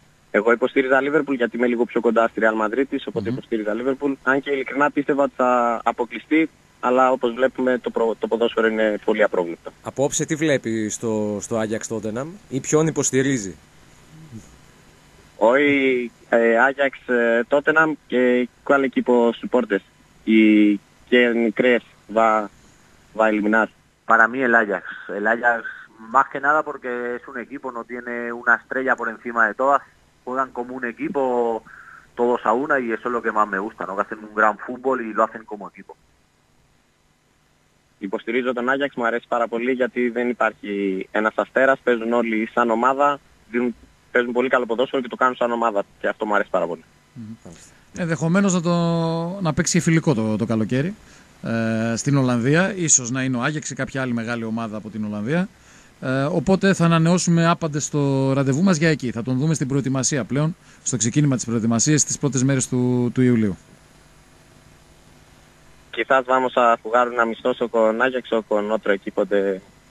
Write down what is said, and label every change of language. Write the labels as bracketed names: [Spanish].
[Greek] Εγώ υποστήριζα Liverpool γιατί είμαι λίγο πιο κοντά στη Real Madrid της, οπότε υποστήριζα Liverpool. Αν και ειλικρινά πίστευα ότι θα αποκλειστεί, αλλά όπως βλέπουμε το ποδόσφαιρο είναι πολύ απρόβλεπτο. Απόψε τι βλέπει στο Ajax Tottenham ή ποιον υποστηρίζει? Όχι, [Spanish] Ajax Tottenham και qual equipo supportes y quién crees va a eliminar? Para mí el Ajax más que nada porque es un equipo, no tiene una estrella por encima de todas. Juegan como un equipo todos a una y eso es lo que más me gusta, ¿no? Que hacen un gran fútbol y lo hacen como equipo. [Greek] Υποστηρίζω τον Άγιαξ, μου αρέσει πάρα πολύ γιατί δεν υπάρχει ένας αστέρας, παίζουν όλοι σαν ομάδα, παίζουν πολύ καλό ποδόσφαιρο και το κάνουν σαν ομάδα και αυτό μου αρέσει πάρα πολύ. Ενδεχομένως να παίξει φιλικό το καλοκαίρι στην Ολλανδία, ίσως να είναι ο Άγιαξ ή κάποια άλλη μεγάλη ομάδα από την Ολλανδία. Οπότε θα ανανεώσουμε άπαντες στο ραντεβού μας για εκεί. Θα τον δούμε στην προετοιμασία πλέον, στο ξεκίνημα της προετοιμασίας στις πρώτες μέρες του Ιουλίου. [Spanish] quizás vamos a jugar un amistoso con Ajax o con otro equipo de